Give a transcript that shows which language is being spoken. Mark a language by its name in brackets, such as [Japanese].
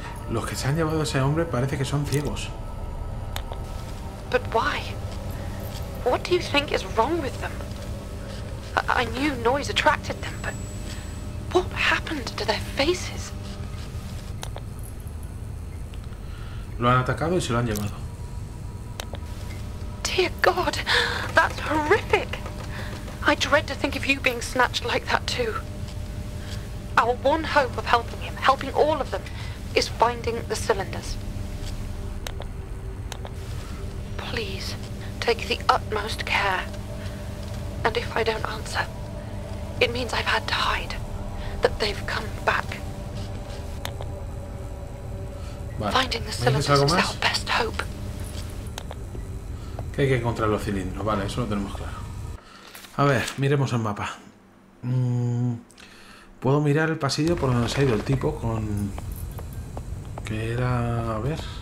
[Spanish] Los que se han llevado a ese hombre parece que son ciegos. [English] But why? What do you think is wrong with them? I knew noise attracted them, but what happened to their faces? [Spanish] Lo han atacado y se lo han llevado. [English] Dear God, that's horrific. I dread to think of you being snatched like that too. Our one hope of helping him, helping all of them, is finding the cylinders. Please, take the utmost care. And if I don't answer, it means I've had to hide, that they've come back. [Spanish] Vale. [English] Finding the cylinders is our best hope. [Spanish] Que hay que encontrar los cilindros, vale, eso lo tenemos claro. A ver, miremos el mapa. Puedo mirar el pasillo por donde se ha ido el tipo con... Que era... A ver...